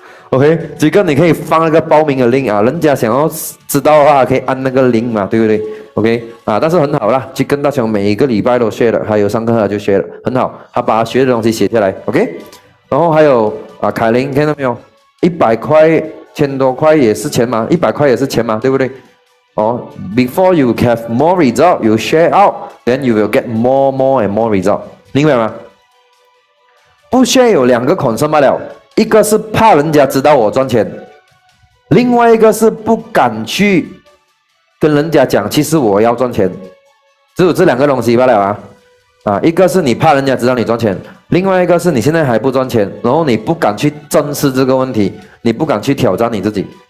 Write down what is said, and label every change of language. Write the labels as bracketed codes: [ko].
[zh] OK， 这个你可以放那个报名的 link 啊，人家想要知道的话可以按那个 link 嘛，对不对？ OK， 啊，但是很好啦，去跟大雄每一个礼拜都学了，还有上课就学了，很好，他把他学的东西写下来。OK， 然后还有啊，凯琳看到没有， 100块，1000多块也是钱嘛，100块也是钱嘛，对不对？ [en] 哦 ，before you have more result, you share out, then you will get more and more result， [zh] 明白吗？不 share 有两个 concern 罢了，一个是怕人家知道我赚钱，另外一个是不敢去跟人家讲，其实我要赚钱，只有这两个东西罢了啊。啊，一个是你怕人家知道你赚钱，另外一个是你现在还不赚钱，然后你不敢去正视这个问题，你不敢去挑战你自己。